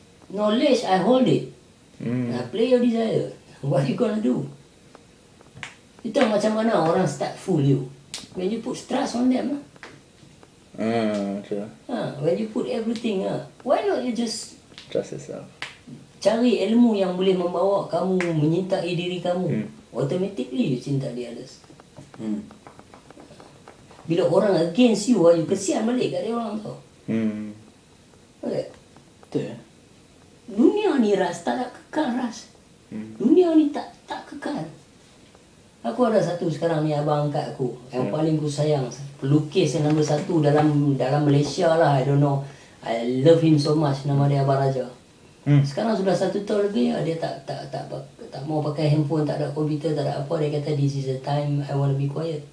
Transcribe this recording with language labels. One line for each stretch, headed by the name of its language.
English: Knowledge, I hold it. Mm. I play your desire. What are you gonna do?
Malay: You tahu macam mana orang start fool you?
English: When you put stress on them, when you put everything, why not you just trust yourself?
Malay: Cari ilmu yang boleh membawa kamu menyintai diri kamu.
English: Mm. Automatically you cinta the others. Mm.
Malay: Bila orang against you, you kesian balik kat dia orang tau. Mm.
English: Okay.
Malay: Betul. Dunia ni ras tak ada kekal ras. Mm. Dunia ni tak kekal. Aku ada satu sekarang ni, abang angkat aku. Yang paling ku sayang. Pelukis yang nombor satu dalam Malaysia lah.
English: I don't know. I love him so much. Nama dia Abang Raja.
Malay: Sekarang sudah satu tahun lebih dia tak mau pakai handphone, tak ada komputer, tak ada apa. Dia kata,
English: this is the time I want to be quiet.